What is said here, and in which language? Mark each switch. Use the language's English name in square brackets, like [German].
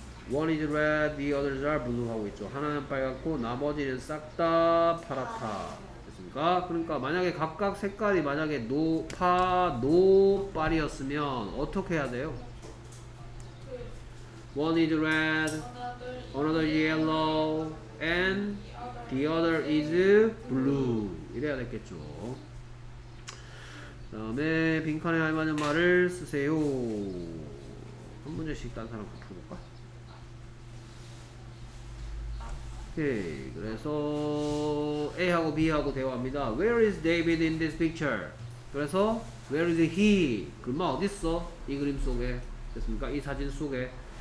[English] One is red, the others are blue [Korean] 하고 있죠. 하나는 빨갛고 나머지는 싹 다 파랗다. 그렇습니까? 그러니까 만약에 각각 색깔이 만약에 노빨이었으면 어떻게 해야 돼요? [English] One is red, another yellow, and The other is blue. [Korean] 이래야 됐겠죠. 그 다음에 빈칸에 알맞은 말을 쓰세요. 한 문제씩 딴 사람 붙여볼까? 오케이. 그래서 A하고 B하고 대화합니다. [English] Where is David in this picture? [Korean] 그래서 [English] Where is he? [Korean] 그림 어딨어? 이 그림 속에. 됐습니까? 이 사진 속에.